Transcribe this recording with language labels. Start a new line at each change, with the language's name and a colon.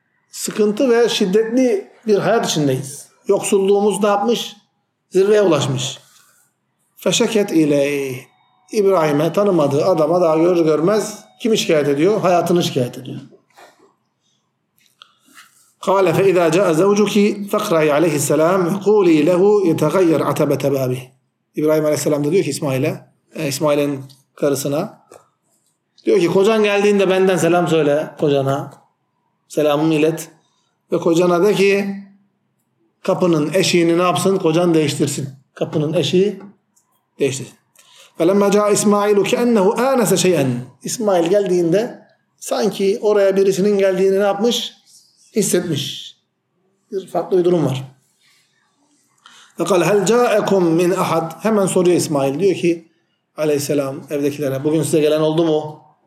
Turkish: Sıkıntı ve şiddetli bir hayat içindeyiz. Yoksulluğumuz ne yapmış? Zirveye ulaşmış.
Arabic: Feşeket ileyh.
Turkish: İbrahim'e tanımadığı adama daha görür görmez kimi şikayet ediyor? Hayatını şikayet ediyor.
Arabic: قال فإذا جاء زوجك فقري عليه السلام قولي له يتغير عتبة بابه.
Turkish: İbrahim Aleyhisselam da diyor ki İsmail'in karısına diyor ki kocan geldiğinde benden selam söyle kocana, selamımı ilet ve kocana de ki kapının eşiğini ne yapsın, kocan değiştirsin, kapının eşiği değiştirsin.
Arabic: فلما جاء إسماعيل كأنه آنس شيئا.
Turkish: İsmail geldiğinde sanki oraya birisinin geldiğini ne yapmış, hissetmiş. Bir farklı bir durum var. Fakat
Arabic: hal ca'akum min ahad?
Turkish: Hemen soruyor İsmail. Diyor ki aleyhisselam evdekilere, bugün size gelen oldu mu?